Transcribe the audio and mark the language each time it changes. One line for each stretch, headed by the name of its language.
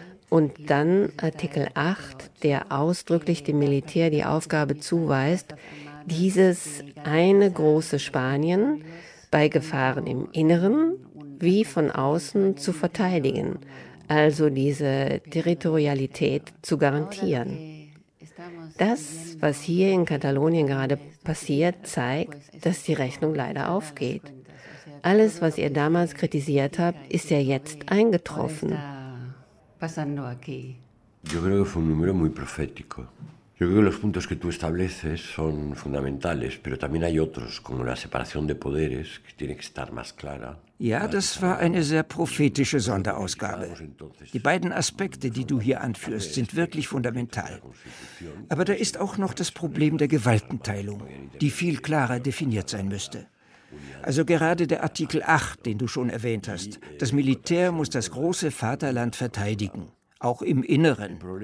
German: Und dann Artikel 8, der ausdrücklich dem Militär die Aufgabe zuweist, dieses eine große Spanien bei Gefahren im Inneren wie von außen zu verteidigen, also diese Territorialität zu garantieren. Das, was hier in Katalonien gerade passiert, zeigt, dass die Rechnung leider aufgeht. Alles, was ihr damals kritisiert habt, ist ja jetzt eingetroffen.
Spanish: Pasando aquí. Yo creo que fue un número muy profético. Yo creo que los puntos que tú estableces son fundamentales, pero también hay otros, como la separación de poderes, que tiene que estar más clara.
German: Ja, das war eine sehr prophetische Sonderausgabe. Die beiden Aspekte, die du hier anführst, sind wirklich fundamental. Aber da ist auch noch das Problem der Gewaltenteilung, die viel klarer definiert sein müsste. Also gerade der Artikel 8, den du schon erwähnt hast. Das Militär muss das große Vaterland verteidigen, auch im Inneren.